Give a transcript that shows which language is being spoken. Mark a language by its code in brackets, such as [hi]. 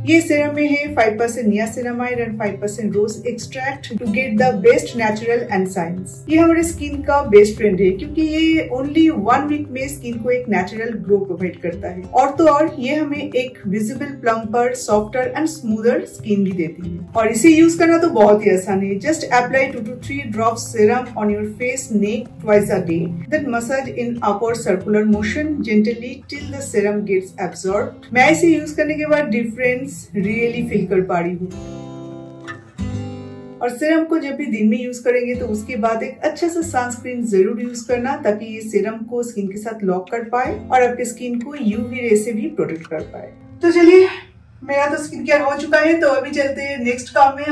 [hi] ये सीरम में है [en] 5% niacinamide and 5% rose extract to get the best natural enzymes. [hi] ये हमारे स्किन का बेस्ट फ्रेंड है क्योंकि ये ओनली 1 वीक में स्किन को एक नेचुरल ग्लो प्रोवाइड करता है, और तो और ये हमें एक visible plumper, softer and smoother skin भी देती है। और इसे यूज करना तो बहुत ही आसान है, [en] Just apply 2 to 3 drop serum your face neck twice a day, then massage in upper circular motion gently till the serum gets absorbed. [hi] Main ise use karne ke baad difference really feel kar pa rahi hu. और serum को जब भी दिन में use करेंगे तो उसके बाद एक अच्छा सा सनस्क्रीन जरूर यूज करना, ताकि ये सीरम को स्किन के साथ लॉक कर पाए और आपके स्किन को यूवी रे से भी प्रोटेक्ट कर पाए। तो चलिए, मेरा तो स्किन केयर हो चुका है, तो अभी चलते हैं नेक्स्ट काम में।